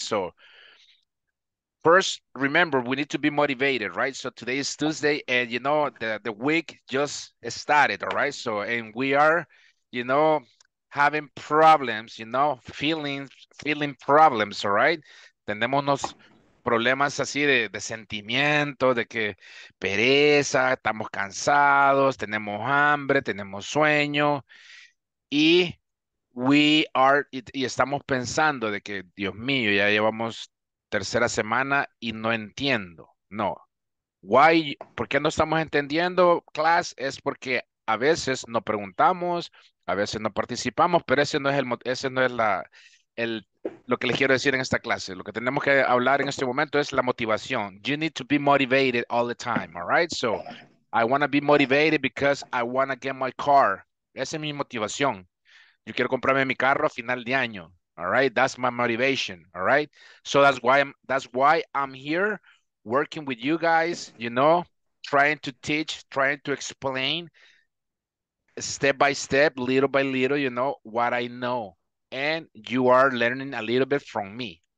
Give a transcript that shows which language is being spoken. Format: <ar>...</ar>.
<en>So first, remember, we need to be motivated, right? So today is Tuesday, and, you know, the week just started, all right? So, and we are, you know, having problems, you know, feeling problems, all right?</en> <es>Tenemos unos problemas así de sentimiento, de que pereza, estamos cansados, tenemos hambre, tenemos sueño. Y</es> <en>we are,</en> <es>y estamos pensando de que, Dios mío, ya llevamos tercera semana y no entiendo. No. Why, ¿por qué no estamos entendiendo, class? Es porque a veces no preguntamos, a veces no participamos, pero ese no es lo que les quiero decir en esta clase. Lo que tenemos que hablar en este momento es la motivación.</es> <en>You need to be motivated all the time, all right? So, I want to be motivated because I want to get my car.</en> <es>Esa es mi motivación. Yo quiero comprarme mi carro a final de año.</es> <en>All right? That's my motivation. All right? So that's why I'm here working with you guys, you know, trying to teach, trying to explain step by step, little by little, you know, what I know. and you are learning a little bit from me.</en>